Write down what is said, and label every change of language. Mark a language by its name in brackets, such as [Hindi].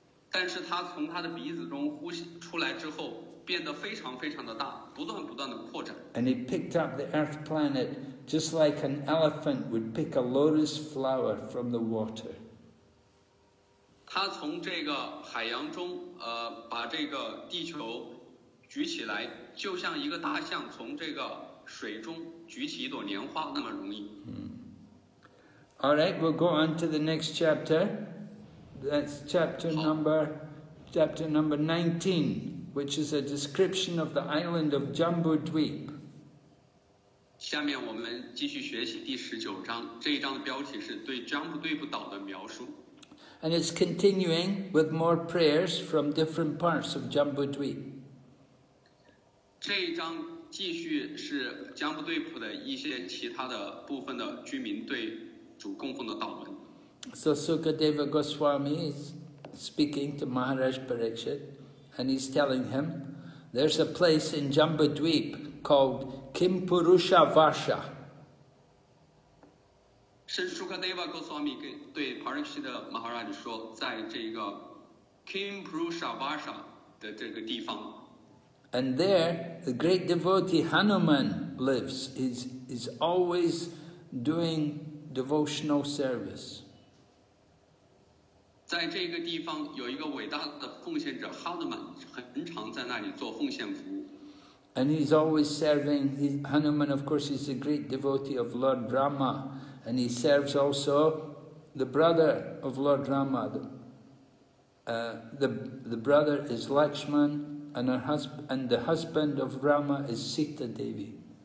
[Chinese] 但是他从他的鼻子中呼吸出来之后。变得非常非常的大，不断不断的扩展。 [English] And he picked up the earth planet just like an elephant would pick a lotus flower from the water. [Chinese] 他从这个海洋中，把这个地球举起来，就像一个大象从这个水中举起一朵莲花那么容易。 [English] All right, we'll go on to the next chapter. That's chapter number 19. Which is a description of the island of Jambudweep. [Chinese] 下面我们继续学习第十九章。这一章的标题是对 Jambudweep 岛的描述。 [English] And it's continuing with more prayers from different parts of Jambudweep. [Chinese] 这一章继续是 Jambudweep 的一些其他的部分的居民对主供奉的祷文。 [English] So Sukadeva Goswami is speaking to Maharaj Parikshit. And he's telling him, there's a place in Jambudweep called Kimpurusha Varsha. [Chinese] Shukadeva Goswami 对 Parikshita Maharaj 说，在这个 Kimpurusha Varsha 的这个地方。 [English] And there, the great devotee Hanuman lives. He's always doing devotional service. [Chinese] 在这个地方有一个伟大的奉献者哈努曼，很常在那里做奉献服务。 [English] And he's always serving. Hanuman, of course, is a great devotee of Lord Rama, and he serves also the brother of Lord Rama. The brother is Lakshman, and the husband of Rama is Sita Devi.